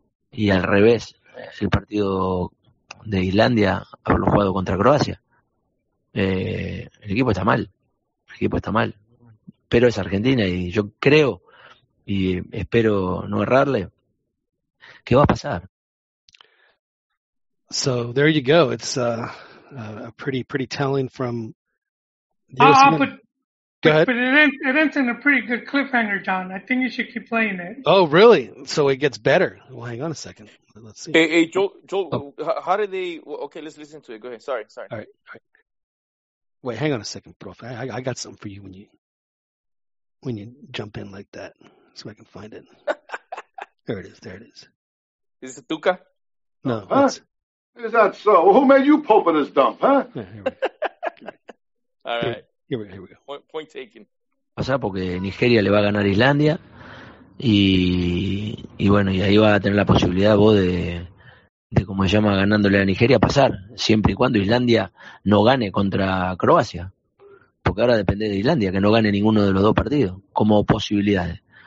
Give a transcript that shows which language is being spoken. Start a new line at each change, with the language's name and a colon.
Spanish: Y al revés, el partido de Islandia haberlo jugado contra Croacia. El equipo está mal, el equipo está mal. Pero es Argentina y yo creo, y espero no errarle, ¿qué va a pasar?
English: So, there you go. It's a pretty, pretty telling from... But it ends in a pretty good cliffhanger, John. I think you should keep playing it. Oh, really? So it gets better. Well, hang on a second. Let's see. Hey, Joel, how did they... Okay, let's listen to it. Go ahead. Sorry. All right. Wait, hang on a second, prof. I got something for you when you jump in like that so I can find it. There it is. Is it Tuca? No. Huh? Is that so? Well, who made you pope in this dump, huh? All right. Here we go. Point taken.
Spanish: Pasa porque Nigeria le va a ganar a Islandia y bueno, y ahí va a tener la posibilidad vos de como se llama, ganándole a Nigeria, pasar, siempre y cuando Islandia no gane contra Croacia. Porque ahora depende de Islandia, que no gane ninguno de los dos partidos, como posibilidades.